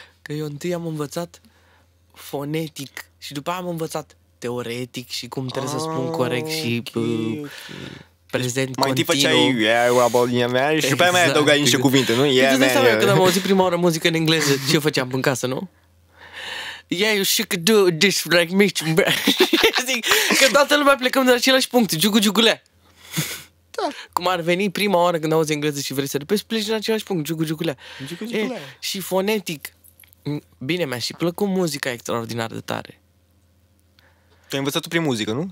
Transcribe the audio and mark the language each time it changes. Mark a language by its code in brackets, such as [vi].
[ro] Că eu întâi am învățat fonetic și după am învățat teoretic și cum trebuie să spun corect și... prezent mai Mai tipă ce ai și după aia mai adăugai niște cuvinte, nu? Când am auzit prima oară muzică în engleză, ce făceam în casă, nu? [en] Yeah, you should do this like me. [ro] Zic că toată lumea plecăm de la același punct. Giugu-giugule. Da. Cum ar veni prima oară când auzi engleză și vrei să repezi, pleci de la același punct. Giugu-giugule. Și fonetic. Bine, mi-a și plăcut muzica extraordinar de tare. Tu ai învățat-o prin muzică, nu?